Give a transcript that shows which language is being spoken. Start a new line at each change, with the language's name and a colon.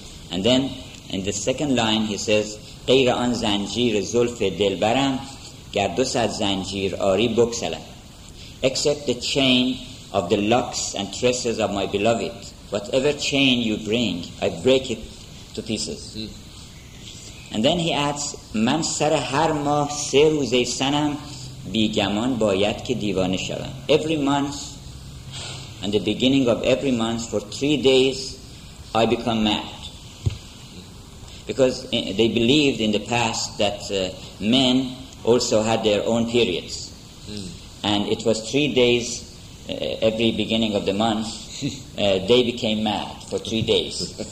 English: And then in the second line, he says,
Persian: غیر آن زنجیر زلف دلبرم گر دو صد زنجیر آری بکسلم.
English: Except the chain of the locks and tresses of my beloved, whatever chain you bring, I break it to pieces. And then he adds,
Persian: من سر هر ماه سه روزه سنم بیگمان باید که دیوانه شوم.
English: Every month, and the beginning of every month, for 3 days, I become mad. Because they believed in the past that men also had their own periods. And it was 3 days every beginning of the month, they became mad for 3 days.